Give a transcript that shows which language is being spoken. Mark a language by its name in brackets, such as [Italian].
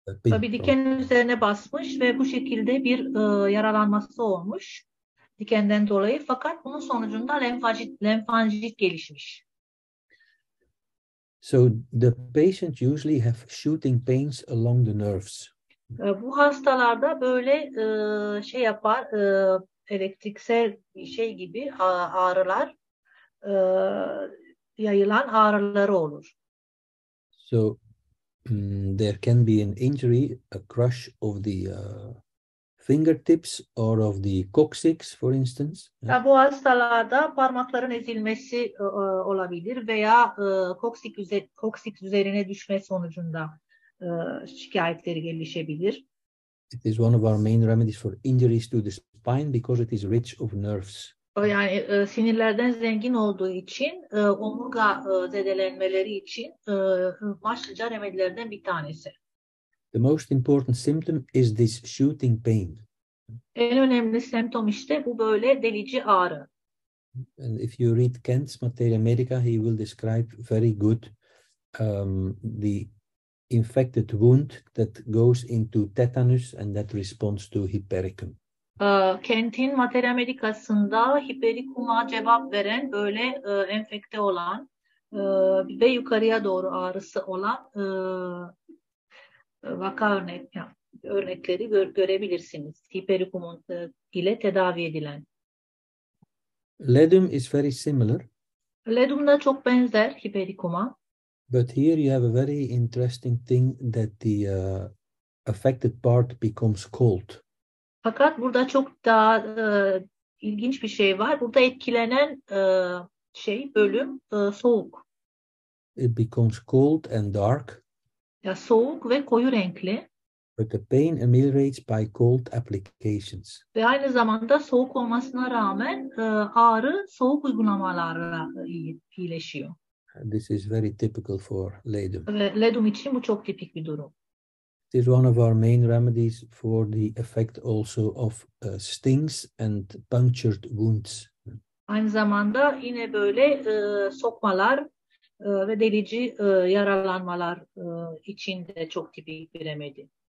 [Turkish] Tabi diken üzerine basmış ve bu şekilde bir yaralanması olmuş dikenden dolayı, fakat bunun sonucunda lenfangit gelişmiş. [English] So the patient usually have shooting pains along the nerves. [Turkish] Bu hastalarda böyle şey yapar, elektriksel şey gibi ağrılar, yayılan ağrıları olur. [English] So there can be an injury, a crush of the fingertips or of the coccyx, for instance. [Turkish] Ya bu hastalarda parmakların ezilmesi olabilir veya coccyx üzerine düşme sonucunda şikayetleri gelişebilir. [English] It is one of our main remedies for injuries to the spine because it is rich of nerves. [Turkish] Yani sinirlerden zengin olduğu için, omurga zedelenmeleri için başlıca remedilerden bir tanesi. [English] The most important symptom is this shooting pain. [Turkish] En önemli semptom işte bu böyle delici ağrı. [English] And if you read Kent's Materia Medica, he will describe very good the infected wound that goes into tetanus and that responds to hypericum. [Turkish] Kent'in Materia Medica'sında hipericum'a cevap veren böyle enfekte olan ve yukarıya doğru ağrısı olan vaka örnekleri görebilirsiniz. Hipericum'un ile tedavi edilen. [English] Ledum is very similar. [Turkish] Ledum da çok benzer hipericum'a. [English] But here you have a very interesting thing that the affected part becomes cold. [Turkish] Fakat burada çok daha ilginç bir şey var. Burada etkilenen bölüm soğuk. [English] It becomes cold and dark. [Turkish] Ya soğuk ve koyu renkli. [English] But the pain ameliorates by cold applications. [Turkish] Ve aynı zamanda soğuk olmasına rağmen ağrı soğuk uygulamalarla iyileşiyor. [English] This is very typical for ledum. [Turkish] Ve ledum için bu çok tipik bir durum. [English] It is one of our main remedies for the effect also of stings and punctured wounds. [Turkish] Aynı zamanda yine böyle sokmalar ve delici yaralanmalar için de çok tipik bir remedi.